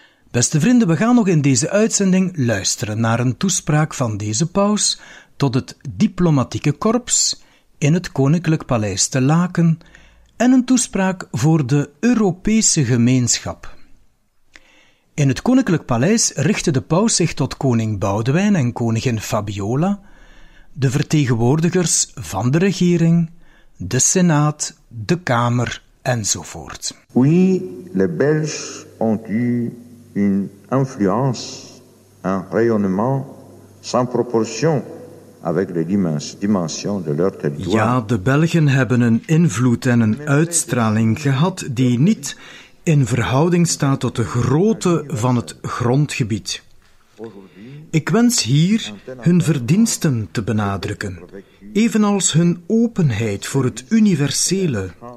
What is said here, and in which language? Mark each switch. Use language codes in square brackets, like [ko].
[nl] Beste vrienden, we gaan nog in deze uitzending luisteren naar een toespraak van deze paus tot het diplomatieke korps in het Koninklijk Paleis te Laken en een toespraak voor de Europese gemeenschap. In het Koninklijk Paleis richtte de paus zich tot koning Boudewijn en koningin Fabiola, de vertegenwoordigers van de regering, de Senaat, de Kamer enzovoort. [fr] Oui, les Belges ont eu une influence, un rayonnement sans proportion avec les dimensions de leur territoire. [nl] Ja, de Belgen hebben een invloed en een uitstraling gehad die niet in verhouding staat tot de grootte van het grondgebied. Ik wens hier hun verdiensten te benadrukken, evenals hun openheid voor het universele.